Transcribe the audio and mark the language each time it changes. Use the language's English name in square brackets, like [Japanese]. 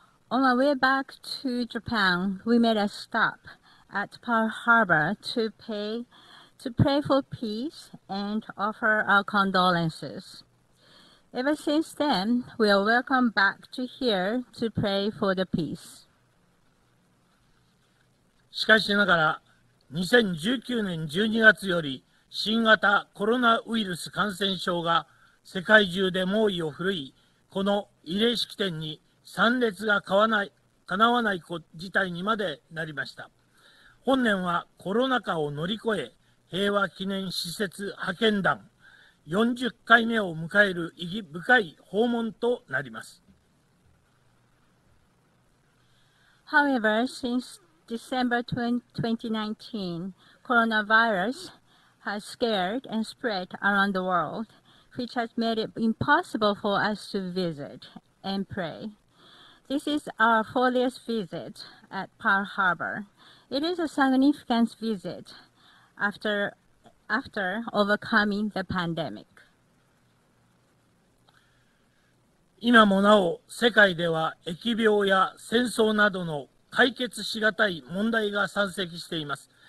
[English] On our way back to Japan, we made a stop at Pearl Harbor to pray for peace and offer our condolences. Ever since then, we are welcome back to here to pray for the peace. [Japanese] しかしながら、 2019年12月より新型コロナウイルス感染症が世界中で猛威を振るい、この慰霊式典に参列がかなわない事態にまでなりました。本年はコロナ禍を乗り越え、平和記念施設派遣団 40回目を迎える意義深い訪問となります。 [English] However, since December 2019, coronavirus has scared and spread around the world, which has made it impossible for us to visit and pray. This is our 40th visit at Pearl Harbor. It is a significant visit after overcoming the pandemic. [Japanese] 今もなお世界では疫病や戦争などの解決しがたい問題が山積しています。